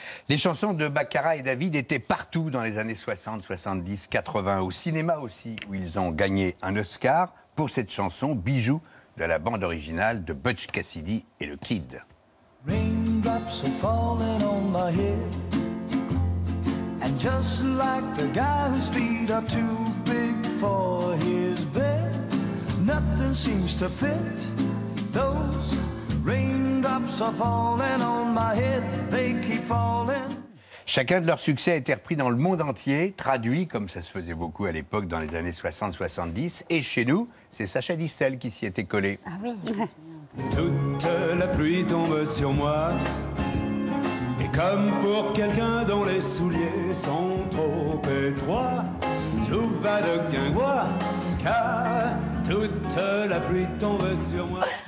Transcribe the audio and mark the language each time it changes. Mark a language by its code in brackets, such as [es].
[fr] Les chansons de Bacharach et David étaient partout dans les années 60, 70, 80, au cinéma aussi, où ils ont gagné un Oscar pour cette chanson, bijou de la bande originale de Butch Cassidy et le Kid. [en] Raindrops are falling on my head, and just like the guy whose feet are too big for his bed, nothing seems to fit those. Raindrops are falling on my head, they keep falling. [fr] Chacun de leurs succès a été repris dans le monde entier, traduit comme ça se faisait beaucoup à l'époque dans les années 60-70. Et chez nous, c'est Sacha Distel qui s'y était collé. Ah oui. Toute la pluie tombe sur moi, et comme pour quelqu'un dont les souliers sont trop étroits, tout va de guingois, car toute la pluie tombe sur moi.